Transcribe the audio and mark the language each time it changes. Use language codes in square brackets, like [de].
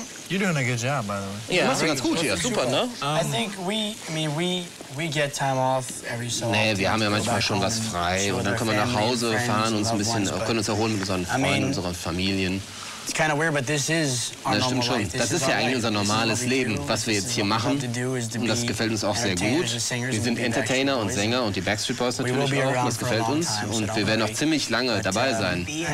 [en] You're doing a good job, by the way. [de] Yeah. Du machst ja ganz gut hier, super, ne? [en] I think we get time off every so often. [de] Nee, wir haben ja manchmal schon was frei und dann können wir nach Hause fahren, uns ein bisschen, können uns erholen mit unseren Freunden, unseren Familien. [en] It's kind of weird, but this is our normal life. [de] Das ist ja eigentlich unser normales Leben, was wir jetzt hier machen. Und das gefällt uns auch sehr gut. Wir sind Entertainer und Sänger und die Backstreet Boys natürlich auch. Das gefällt uns und wir werden auch ziemlich lange dabei sein.